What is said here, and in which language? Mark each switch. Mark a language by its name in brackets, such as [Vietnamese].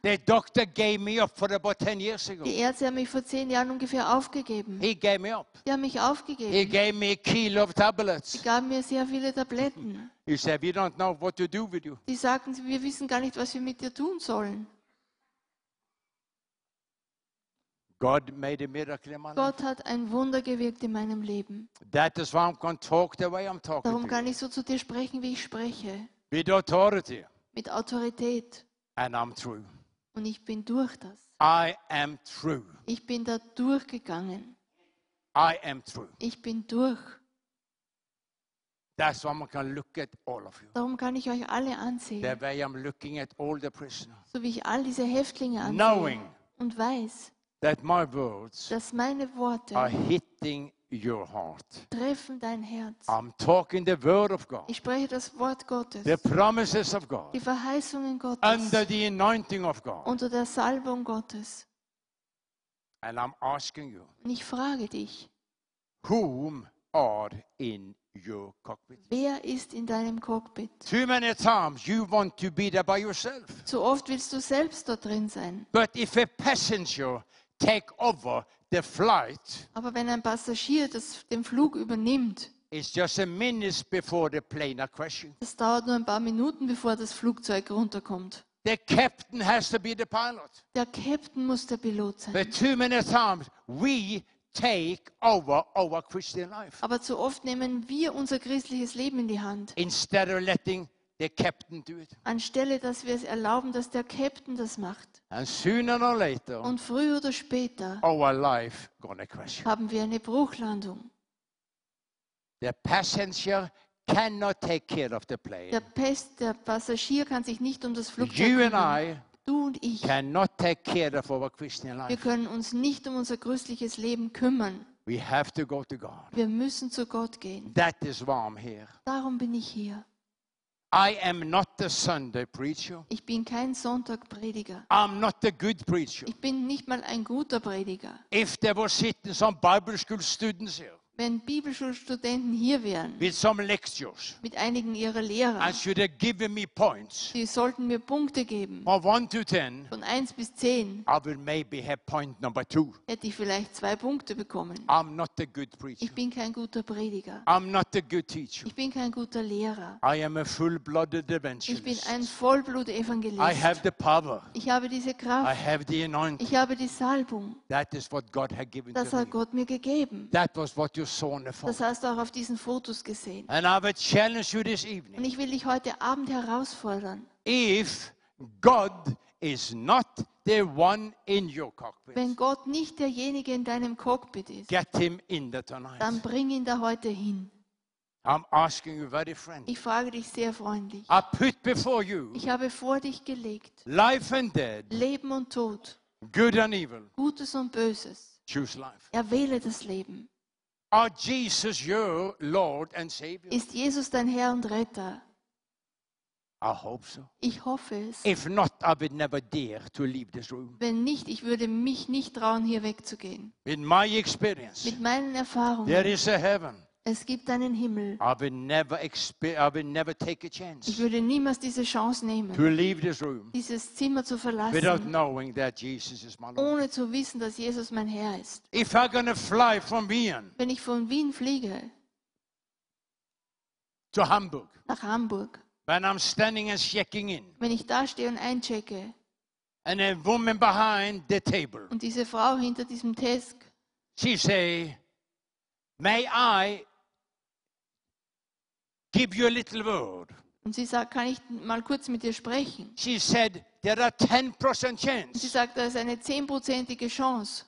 [English] The doctor gave me up for about 10 years ago. [German] Die Ärzte haben mich vor 10 Jahren ungefähr aufgegeben. [English] He gave me up. [German] Die haben mich aufgegeben. [English] He gave me a kilo of tablets. [German] Sie gaben mir sehr viele Tabletten. [English] He said, we don't know what to do with you. [German] Die sagten, wir wissen gar nicht, was wir mit dir tun sollen. [English] God made a miracle in my life. [German] Gott hat ein Wunder gewirkt in meinem Leben. [English] That is why I'm going to talk the way I'm talking. [German] Darum kann ich so zu dir sprechen, wie ich spreche. [English] With authority. [German] Mit Autorität. [English] And I'm true. [German] Und ich bin durch das. [English] I am true. [German] Ich bin da durchgegangen. [English] I am true. [German] Ich bin durch. [English] That's why I can look at all of you. [German] Darum kann ich euch alle ansehen. [English] The way I'm looking at all the prisoners. [German] So wie ich all diese Häftlinge ansehe. [English] Knowing [German] und weiß, [English] that my words, [German] dass meine Worte, [English] are hitting your heart. [German] Treffen dein Herz. [English] I'm talking the word of God. [German] Ich spreche das Wort Gottes. [English] The promises of God. [German] Die Verheißungen Gottes. [English] Under the anointing of God. [German] Unter der Salbung Gottes. [English] And I'm asking you. [German] Und ich frage dich. [English] Whom are in your cockpit? [German] Wer ist in deinem Cockpit? [English] Too many times you want to be there by yourself. [German] Zu oft willst du selbst dort drin sein. [English] But if a passenger take over the flight, [German] aber wenn ein Passagier das, den Flug übernimmt, [English] it's just a minutes before the plane are crashing. [German] Es dauert nur ein paar Minuten, bevor das Flugzeug runterkommt. [English] The captain has to be the pilot. [German] Der Captain muss der Pilot sein. [English] But too many times we take over our Christian life. [German] Aber zu oft nehmen wir unser christliches Leben in die Hand. [English] Instead of letting the captain do it. [German] Anstelle, dass wir es erlauben, dass der Captain das macht. [English] And sooner or later, [German] und früher oder später, [English] our life gonna crash. [German] Haben wir eine Bruchlandung. [English] The passenger cannot take care of the plane. [German] Der Passagier kann sich nicht um das Flugzeug kümmern. [English] You and I, [German] du und ich, [English] cannot take care of our Christian life. [German] Wir können uns nicht um unser christliches Leben kümmern. [English] We have to go to God. [German] Wir müssen zu Gott gehen. [English] That is why I'm here. [German] Darum bin ich hier. [English] I am not the Sunday preacher. [German] Ich bin kein Sonntagprediger. [English] I'm not the good preacher. [German] Ich bin nicht mal ein guter Prediger. [English] If there were sitting some Bible school students here. [German] Wenn Bibelschulstudenten hier wären, [English] with some lectures, [German] mit einigen ihrer Lehrer, [English] and should have given me points, [German] sie sollten mir Punkte geben, [English] of 1 to 10, [German] von 1 bis 10, [English] I would maybe have point number 2. [German] Hätte ich vielleicht 2 Punkte bekommen. [English] I'm not a good preacher. [German] Ich bin kein guter Prediger. [English] I'm not a good teacher. [German] Ich bin kein guter Lehrer. [English] I am a full-blooded evangelist. [German] Ich bin ein Vollblut-Evangelist. [English] I have the power. [German] Ich habe diese Kraft. [English] I have the anointing. [German] Ich habe die Salbung. [English] That is what God had given [German] das [English] to [German] hat [English] me. [German] Gott mir gegeben. [English] That was what you saw in the [German] das hast du auch auf diesen Fotos gesehen. [English] And I will challenge you this evening. [German] Und ich will dich heute Abend herausfordern. [English] If God is not the one in your cockpit, [German] wenn Gott nicht derjenige in deinem Cockpit ist, [English] get him in there tonight. [German] Dann bring ihn da heute hin. [English] I'm asking you very friendly. [German] Ich frage dich sehr freundlich. [English] I put before you, [German] ich habe vor dich gelegt, [English] life and dead, [German] Leben und Tod, [English] good and evil, [German] Gutes und Böses. [English] Choose life. [German] Erwähle das Leben. [English] Are Jesus your Lord and Savior? [German] Ist Jesus dein Herr und Retter? [English] I hope so. [German] Ich hoffe es. [English] If not, I would never dare to leave this room. [German] Wenn nicht, ich würde mich nicht trauen, hier wegzugehen. [English] With my experience, [German] mit meinen Erfahrungen. [English] There is a heaven. [German] Es gibt einen Himmel. [English] I would never take a chance. [German] Ich würde niemals diese Chance nehmen. [English] To leave this room. [German] Dieses Zimmer zu verlassen. [English] Without knowing that Jesus is my Lord. [German] Ohne zu wissen, dass Jesus mein Herr ist. [English] If I'm gonna fly from Wien. [German] Wenn ich von Wien fliege. [English] To Hamburg. [German] Nach Hamburg. [English] When I'm standing and checking in. [German] Wenn ich da stehe und einchecke. [English] And a woman behind the table. [German] Und diese Frau hinter diesem Desk. [English] She say, may I give you a little word? [German] Und sie sagt, kann ich mal kurz mit dir sprechen? [English] She said, there are 10% chance. [German] Sie sagt, da ist eine 10%ige Chance.